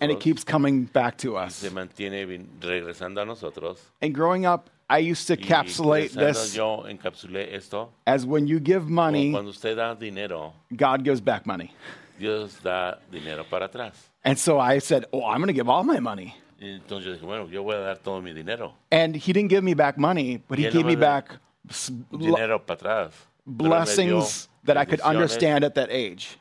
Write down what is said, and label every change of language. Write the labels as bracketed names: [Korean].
[English] and it keeps coming back to us. [Spanish] Se mantiene regresando a nosotros. [English] And growing up, I used to encapsulate this [Spanish] yo encapsulé esto, [English] as when you give money, [Spanish] cuando usted da dinero, [English] God gives back money. [Spanish] Dios da dinero para atrás. [English] And so I said, oh, I'm going to give all my money. [Spanish] Entonces, bueno, yo voy a dar todo mi dinero. [English] And he didn't give me back money, but he gave me back [Spanish] dinero para atrás, [English] blessings that I could understand at that age.